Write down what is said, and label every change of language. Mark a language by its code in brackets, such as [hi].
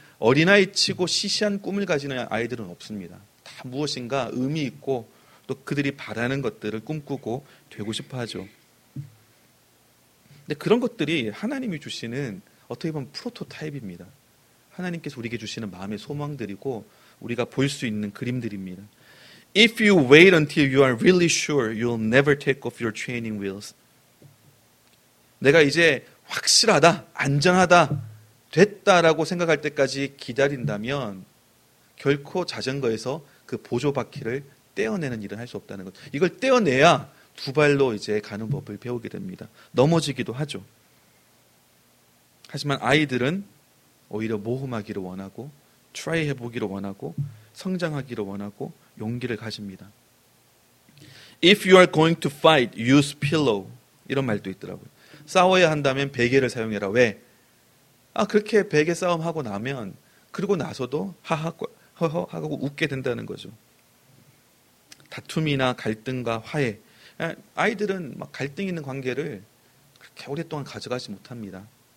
[ko] 어린아이치고 시시한 꿈을 가지는 아이들은 없습니다. 다 무엇인가 의미 있고 또 그들이 바라는 것들을 꿈꾸고 되고 싶어 하죠. 근데 그런 것들이 하나님이 주시는 어떻게 보면 프로토타입입니다. 하나님께서 우리에게 주시는 마음의 소망들이고 우리가 볼 수 있는 그림들입니다. [en] If you wait until you are really sure, you'll never take off your training wheels. [ko] 내가 이제 확실하다, 안전하다, 됐다라고 생각할 때까지 기다린다면 결코 자전거에서 그 보조 바퀴를 떼어내는 일은 할 수 없다는 것. 이걸 떼어내야 두 발로 이제 가는 법을 배우게 됩니다. 넘어지기도 하죠. 하지만 아이들은 오히려 모험하기를 원하고 트라이 해보기를 원하고 성장하기를 원하고 용기를 가집니다. [en] If you are going to fight, use pillow. [ko] 이런 말도 있더라고요. 싸워야 한다면 베개를 사용해라. 왜? 그렇게 베개 싸움하고 나면 그리고 나서도 하고 웃게 된다는 거죠. 다툼이나 갈등과 화해. 아이들은 막 갈등 있는 관계를 그렇게 오랫동안 가져가지 못합니다.